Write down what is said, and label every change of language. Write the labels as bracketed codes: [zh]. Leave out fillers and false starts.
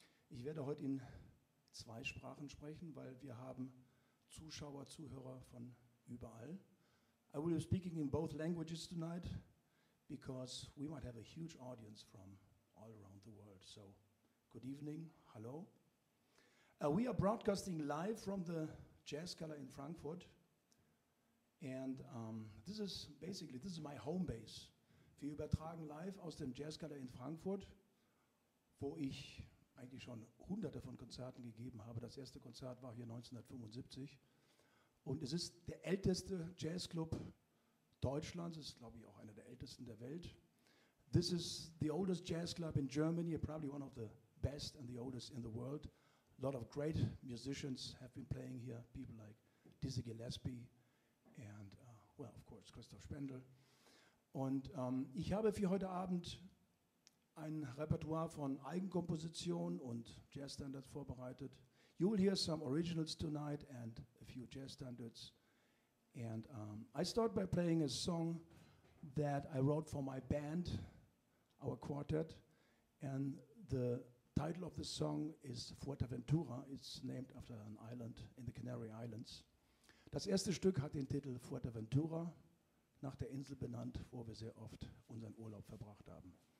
[de] Ich werde heute in zwei Sprachen sprechen, weil wir haben Zuschauer, Zuhörer von überall. [en] I will be speaking in both languages tonight because we might have a huge audience from all around the world. So, good evening, hello. We are broadcasting live from the Jazz Gala in Frankfurt. And this is my home base. [de] Wir übertragen live aus dem Jazz Gala in Frankfurt, wo ich eigentlich schon hunderte von Konzerten gegeben habe. Das erste Konzert war hier 1975. Und es ist der älteste Jazzclub Deutschlands. Es ist, glaube ich, auch einer der ältesten der Welt. This is the oldest jazz club in Germany, probably one of the best and the oldest in the world. A lot of great musicians have been playing here. People like Dizzy Gillespie, and, well, of course, Christoph Spendel. Und ich habe für heute Abend ein Repertoire von Eigenkompositionen und Jazzstandards vorbereitet. [en] You will hear some originals tonight and a few Jazzstandards. And I start by playing a song that I wrote for my band, our quartet. And the title of the song is Fuerteventura. It's named after an island in the Canary Islands. [de] Das erste Stück hat den Titel Fuerteventura, nach der Insel benannt, wo wir sehr oft unseren Urlaub verbracht haben.